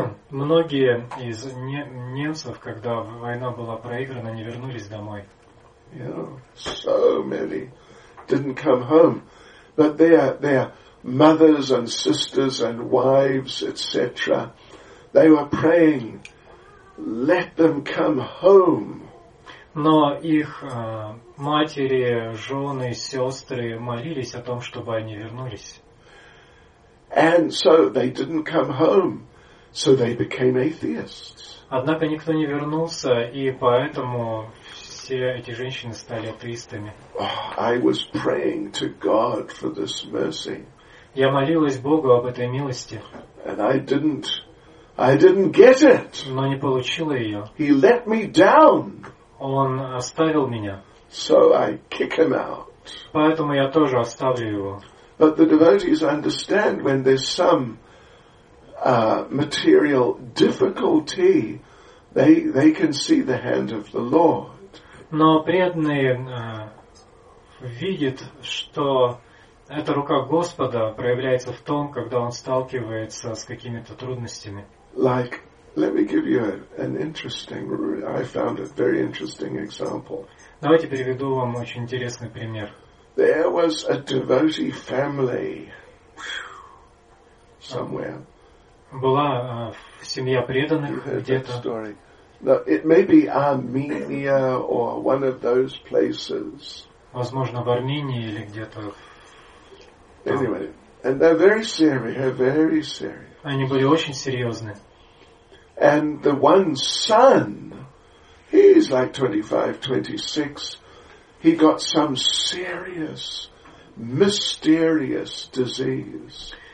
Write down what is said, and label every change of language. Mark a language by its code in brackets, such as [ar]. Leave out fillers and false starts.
[ru] Многие из немцев, когда война была проиграна, не вернулись домой. [en] Yeah, so many didn't come home. But their mothers and sisters and wives, etc., they were praying, let them come home. [ru] Но их матери, жены, сестры молились о том, чтобы они вернулись. [en] And so they didn't come home, so they became atheists. [ru] Однако никто не вернулся, и поэтому все эти женщины стали атеистами. [en] Oh, I was praying to God for this mercy. [ru] Я молилась Богу об этой милости. [en] And I didn't get it. [ru] Но не получила ее. [en] He let me down. [ru] Он оставил меня. [en] So I kick him out. [ru] Поэтому я тоже оставлю его. [en] But the devotees understand when there's some material difficulty, they can see the hand of the Lord. [ru] Но преданные видят, что Эта рука Господа проявляется в том, когда он сталкивается с какими-то трудностями. [en] Like, let me give you an interesting, I found a very interesting example. [ru] Давайте переведу вам очень интересный пример. [en] There was a devotee family somewhere. [ru] Была семья преданных где-то. [en] Story. Now, it may be Armenia or one of those places. [ru] Возможно, в Армении или где-то. [en] Anyway, and they're very serious. Very serious. [ru] Они были очень серьезны. [en] And the one son, he's like 25, 26. He got some serious, mysterious disease.